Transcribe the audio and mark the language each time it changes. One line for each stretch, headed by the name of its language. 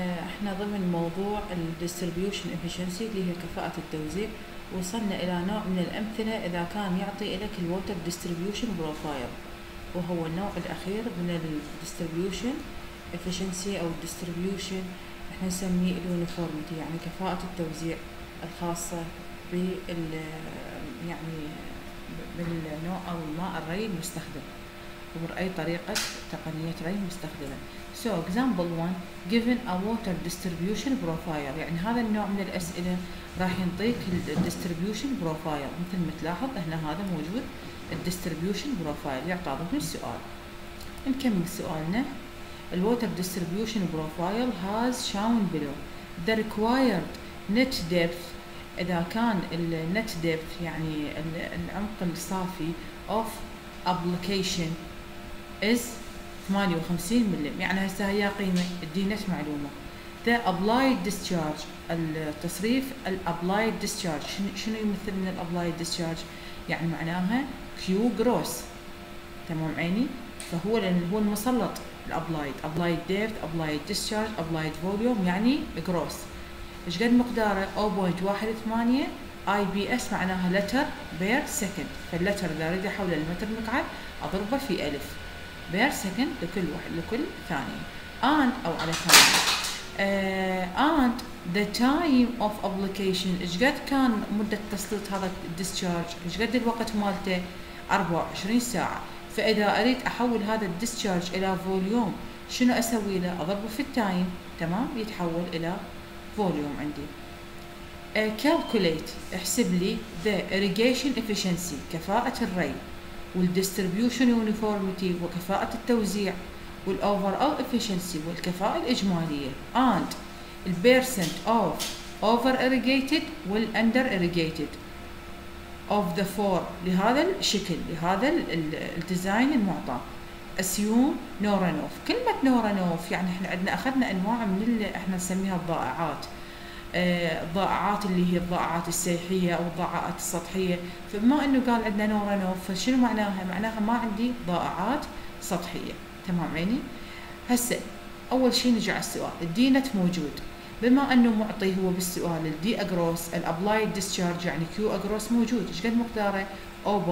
Arabic: احنا ضمن موضوع الـ Distribution Efficiency اللي هي كفاءة التوزيع، وصلنا إلى نوع من الأمثلة إذا كان يعطي لك الـ Water Distribution Profile، وهو النوع الأخير من الـ Distribution Efficiency أو Distribution احنا نسميه Uniformity، يعني كفاءة التوزيع الخاصة بالـ يعني بالنوع أو الماء الري المستخدم عبر أي طريقة تقنية ري مستخدمة.
English: So example one, given a water distribution profile،
Arabic: يعني هذا النوع من الأسئلة راح ينطيك ال
English: distribution profile.
Arabic: مثل ما تلاحظ هنا هذا موجود ال distribution profile، يعطي ضمن السؤال. نكمل سؤالنا.
English: The water distribution profile has shown below the required net depth.
Arabic: إذا كان النت ديبث يعني العمق الصافي
English: of application is
Arabic: 58 ملم، يعني هسه هي قيمة الدينت معلومة. The applied discharge، التصريف ال applied discharge شنو يمثل من ال applied discharge؟ يعني معناها Q gross، تمام عيني؟ فهو هو المسلط ال applied، applied depth، applied discharge، applied volume يعني gross. إيش قد مقداره؟ 0.18 IBS، معناها لتر بير سكند. فاللتر إذا ردي حول المتر مكعب أضربه في ألف بير سكند لكل واحد لكل ثانية. and أو على ثانية.
English: and the time of application،
Arabic: إيش قد كان مدة تسليط هذا discharge؟ إيش قد الوقت مالته؟ 24 ساعة. فإذا أريد أحول هذا discharge إلى فوليوم شنو أسوي له؟ أضربه في التايم، تمام؟ يتحول إلى فوليوم عندي.
English: calculate،
Arabic: احسب لي
English: the irrigation efficiency،
Arabic: كفاءة الري،
English: والdistribution uniformity، وكفاءة التوزيع، والoverall efficiency،
Arabic: والكفاءة الإجمالية،
English: and the percent of over irrigated والunder irrigated of the four،
Arabic: لهذا الشكل، لهذا الديزاين المعطى.
English: assume no runoff،
Arabic: كلمة no runoff يعني احنا عندنا اخذنا انواع من اللي احنا نسميها الضائعات، الضائعات اللي هي الضائعات السيحية او الضائعات السطحية. فما انه قال عندنا no runoff فشنو معناها؟ معناها ما عندي ضائعات سطحية، تمام عيني؟ هسه اول شيء نجي على السؤال، الدينت موجود، بما انه معطي هو بالسؤال الـ D across الـ applied discharge يعني Q across موجود، ايش قد مقداره؟ 0.18